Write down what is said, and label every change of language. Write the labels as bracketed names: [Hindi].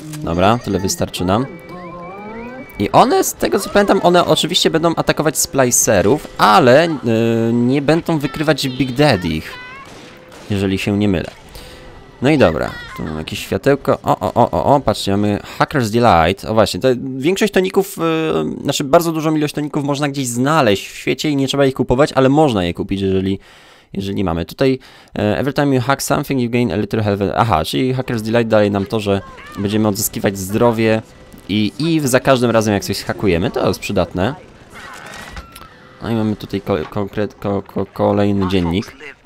[Polish] Dobra, tyle wystarczy nam. I one, z tego co pamiętam, one oczywiście będą atakować splicerów, ale nie będą wykrywać Big Daddy'ch, jeżeli się nie mylę. No i dobra, tu mamy jakieś światełko. O, patrzcie, mamy Hacker's Delight. O właśnie, to większość toników, znaczy bardzo dużą ilość toników można gdzieś znaleźć w świecie i nie trzeba ich kupować, ale można je kupić, jeżeli mamy. [English] Tutaj, every time you hack something, you gain a little health. [Polish] Aha, czyli Hacker's Delight daje nam to, że będziemy odzyskiwać zdrowie i za każdym razem, jak coś hakujemy, to jest przydatne. No i mamy tutaj kolejny dziennik.